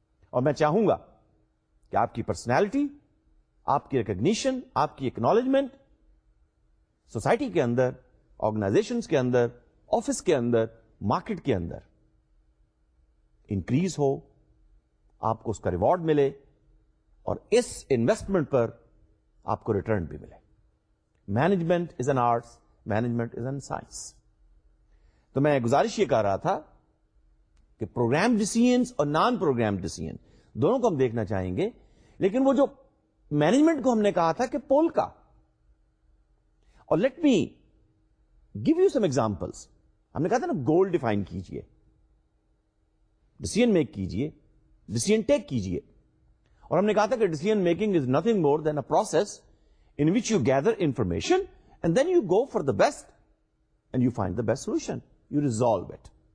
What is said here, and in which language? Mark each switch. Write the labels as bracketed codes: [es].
[ur] اور میں چاہوں گا کہ آپ کی پرسنالٹی, آپ کی ریکگنیشن, آپ کی اکنالجمنٹ سوسائٹی کے اندر, آرگنائزیشنز کے اندر, آفس کے اندر, مارکیٹ کے اندر انکریز ہو, آپ کو اس کا ریوارڈ ملے, اور اس انویسٹمنٹ پر آپ کو ریٹرن بھی ملے. [en] Management is an arts, management is an science. [ur] تو میں گزارش یہ کر رہا تھا کہ پروگرام ڈیسیژنس اور نان پروگرام ڈیسیژن دونوں کو ہم دیکھنا چاہیں گے, لیکن وہ جو مینجمنٹ کو ہم نے کہا تھا کہ پول کا, اور [en] Let me give you some examples. [ur] ہم نے کہا تھا نا گول ڈیفائن کیجئے, ڈیسیژن میک کیجئے, ڈیسیژن ٹیک کیجئے. اور ہم نے کہا تھا کہ [en] Decision making is nothing more than a process in which you gather information and then you go for the best and you find the best solution, you resolve it.